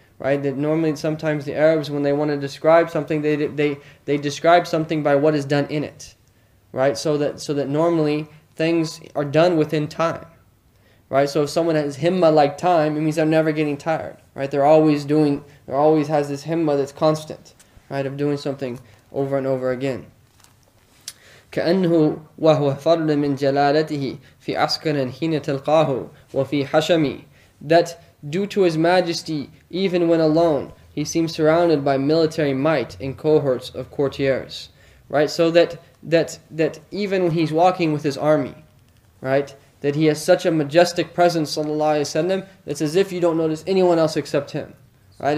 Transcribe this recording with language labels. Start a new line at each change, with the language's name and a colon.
English: Right, that normally sometimes the Arabs, when they want to describe something, they describe something by what is done in it, right? So that normally things are done within time, right? So if someone has himma like time, it means they're never getting tired, right? They're always doing, they always has this himma that's constant, right? Of doing something over and over again.
Arabic: كأنه وهو فرد من جلالته في عسكر حين تلقاه وفي حشمي.
English: That due to his majesty, even when alone, he seems surrounded by military might and cohorts of courtiers. Right? So that even when he's walking with his army, right, that he has such a majestic presence, sallallahu alayhi wa sallam, it's as if you don't notice anyone else except him. Right?